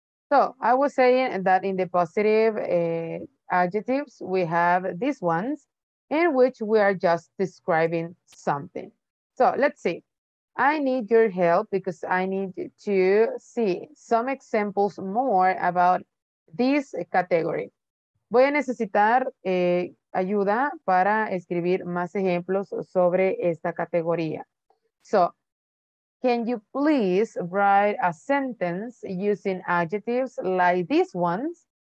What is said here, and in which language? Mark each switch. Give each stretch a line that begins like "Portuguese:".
English: So I was saying that in the positive adjectives, we have these ones in which we are just describing something. So let's see, I need your help because I need to see some examples more about this category.
Spanish: Voy a necesitar ayuda para escribir más ejemplos sobre esta categoría.
English: So, can you please write a sentence using adjectives like these ones?